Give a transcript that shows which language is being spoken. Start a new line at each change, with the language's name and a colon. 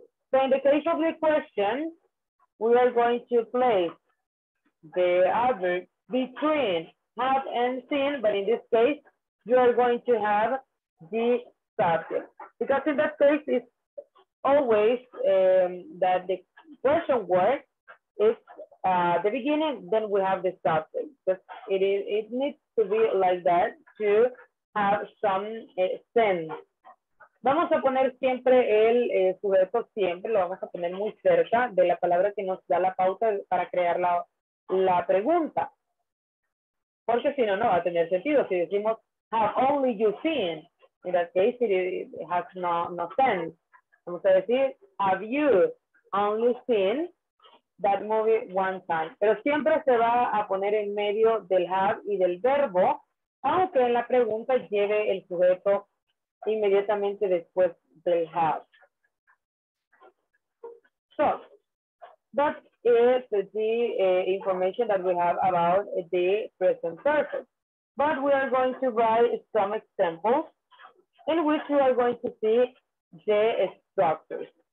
English: So in the case of the question, we are going to place the adverb between have and seen, but in this case, you are going to have the subject. Because in that case, it's always that the question word is the beginning, then we have the subject. Because it is, it needs to be like that to have some sense.
Spanish: Vamos a poner siempre el sujeto, siempre lo vamos a poner muy cerca de la palabra que nos da la pauta para crear la pregunta. Porque si no, no va a tener sentido. Si decimos,
English: have only you seen, in that case, it has no sense.
Spanish: Vamos a decir,
English: have you only seen that movie one time?
Spanish: Pero siempre se va a poner en medio del have y del verbo, aunque en la pregunta lleve el sujeto inmediatamente después del have.
English: So, that is the information that we have about the present perfect. But we are going to write some examples in which we are going to see the structures.